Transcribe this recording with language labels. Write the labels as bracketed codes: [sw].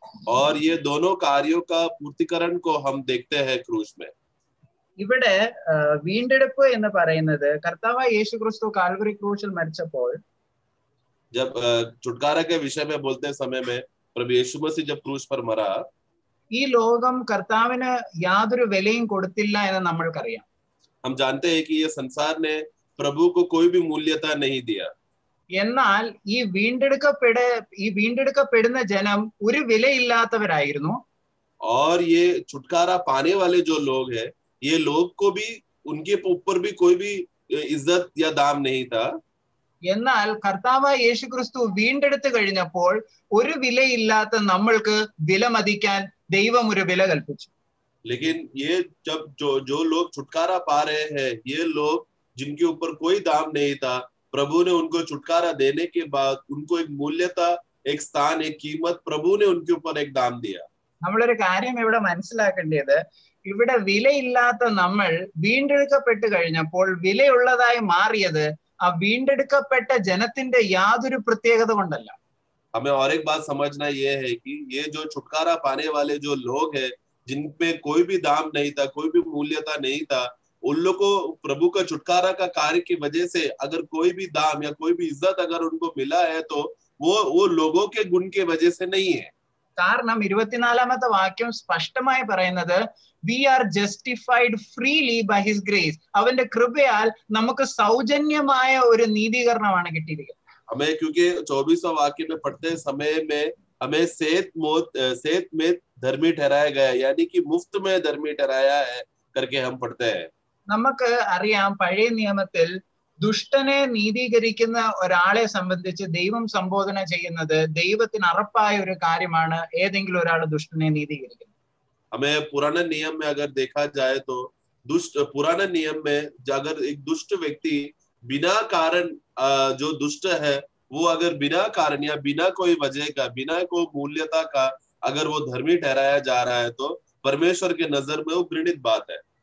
[hi] और ये दोनों कार्यों का पूर्तिकरण को हम देखते हैं क्रूश में [ml] ഇവിടെ വീണ്ടെടുപ്പ് എന്ന് പറയുന്നത് കർത്താവായ യേശു ക്രിസ്തു കാൽവരി ക്രൂശിൽ മരിച്ചപ്പോൾ [hi] जब छुटकारा के विषय में बोलते समय में प्रभु यीशु मसीह जब क्रूश पर मरा [ml] ഈ ലോകം കർത്താവിന് യാതൊരു വിലയും കൊടുത്തില്ല എന്ന് നമ്മൾക്കറിയാം [hi] हम जानते हैं कि ये संसार ने प्रभु को कोई भी मूल्यता नहीं दिया [ml] എന്നാൽ ഈ വീണ്ടെടുക്കപ്പെട വീണ്ടെടുക്കപ്പെടുന്ന ജനം ഒരു വിലയില്ലാത്തവരായിരുന്നു [hi] और ये छुटकारा पाने वाले जो लोग है ये लोग को भी उनके ऊपर भी कोई भी इज्जत या दाम नहीं था [ml] എന്നാൽ കർത്താവായ യേശു ക്രിസ്തു വീണ്ടെടുത്തു കഴിഞ്ഞപ്പോൾ ഒരു വിലയില്ലാത്ത നമ്മൾക്ക് വിലമതിക്കാൻ ദൈവം ഒരു വില കൽപ്പിച്ചു [hi] लेकिन ये जब जो जो लोग छुटकारा पा रहे हैं ये लोग जिनके ऊपर कोई दाम नहीं था प्रभु ने उनको छुटकारा देने के बाद उनको एक मूल्यता एक स्थान एक कीमत प्रभु ने उनके ऊपर एक दाम दिया [ml] നമ്മളൊരു കാര്യം ഇവിടെ മനസ്സിലാക്കേണ്ടത് ഇവിടെ വിലയില്ലാത്ത നമ്മൾ വീണ്ടെടുക്കപ്പെട്ടു കഴിഞ്ഞപ്പോൾ വിലയുള്ളതായി മാറിയത് ആ വീണ്ടെടുക്കപ്പെട്ട ജനത്തിന്റെ യാതൊരു പ്രത്യേകത കൊണ്ടല്ല [hi] हमें और एक बात समझना ये है कि ये जो छुटकारा पाने वाले जो लोग है जिनपे कोई भी दाम नहीं था कोई भी मूल्यता नहीं था उन लोगों को प्रभु का छुटकारा का कार्य की वजह से अगर कोई भी दाम या कोई भी इज्जत अगर उनको मिला है तो वो लोगों के गुण के वजह से नहीं है [ml] കാരണം 24-ാമത്തെ വാക്യം സ്പഷ്ടമായി പറയുന്നത് [en] we are justified freely by his grace [ml] അവന്റെ കൃപയാൽ നമുക്ക് സൗജന്യമായ ഒരു നീതീകരണമാണ് കിട്ടിയിരിക്കുന്നത് [hi] हमें सेत मोत सेत में धर्मी ठहराया गया यानी कि मुफ्त में धर्मी ठहराया है करके हम पढ़ते हैं [ml] നമുക്ക് അറിയാം പഴയ നിയമത്തിൽ ദുഷ്ടനെ നീതീകരിക്കുന്ന ഒരാളെ സംബന്ധിച്ച് ദൈവം സംബോധന ചെയ്യുന്നത് ദൈവത്തിന് അറപ്പായ ഒരു കാര്യമാണ് ഏതെങ്കിലും ഒരാൾ ദുഷ്ടനെ നീതീകരിക്കുന്നത് [hi] हमें पुराने नियम में अगर देखा जाए तो दुष्ट पुराने नियम में अगर एक दुष्ट व्यक्ति बिना कारण जो दुष्ट है वो अगर बिना कारण या बिना कोई वजह का बिना कोई मूल्यता का अगर वो धर्मी ठहराया जा रहा है तो परमेश्वर के नजर में वो घृणित बात है